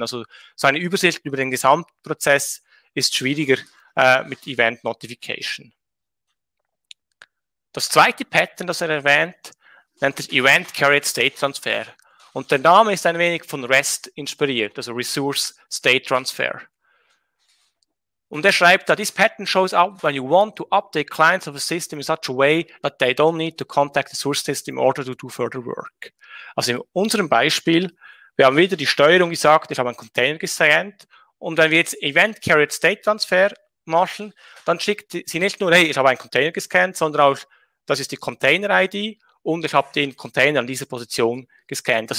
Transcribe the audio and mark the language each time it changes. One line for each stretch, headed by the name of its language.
German: Also so eine Übersicht über den Gesamtprozess ist schwieriger mit Event Notification. Das zweite Pattern, das er erwähnt, nennt sich Event Carried State Transfer. Und der Name ist ein wenig von REST inspiriert, also Resource State Transfer. Und er schreibt da,
English: this pattern shows up when you want to update clients of a system in such a way that they don't need to contact the source system in order to do further work.
German: Also in unserem Beispiel, wir haben wieder die Steuerung gesagt, ich habe einen Container gescannt. Und wenn wir jetzt Event Carried State Transfer machen, dann schickt sie nicht nur, hey, ich habe einen Container gescannt, sondern auch, das ist die Container-ID und ich habe den Container an dieser Position gescannt.